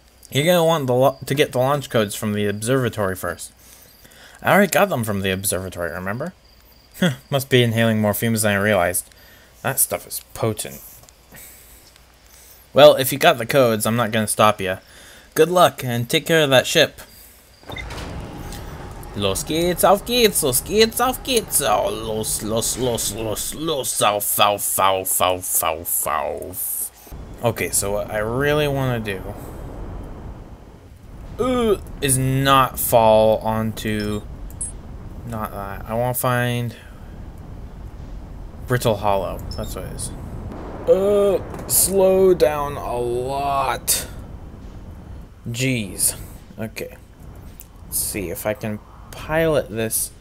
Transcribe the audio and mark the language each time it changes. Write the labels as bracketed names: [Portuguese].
[English] You're gonna want to get the launch codes from the observatory first. I already got them from the observatory, remember? Huh, must be inhaling more fumes than I realized. That stuff is potent. Well, if you got the codes, I'm not gonna stop you. Good luck, and take care of that ship. [German] Los geht's, auf geht's, los geht's, auf geht's, oh, los, auf, auf, auf, auf, auf, auf. [English] Okay, so what I really want to do is not fall onto, not that. I want to find Brittle Hollow. That's what it is. Slow down a lot. Jeez. Okay. Let's see if I can pilot this.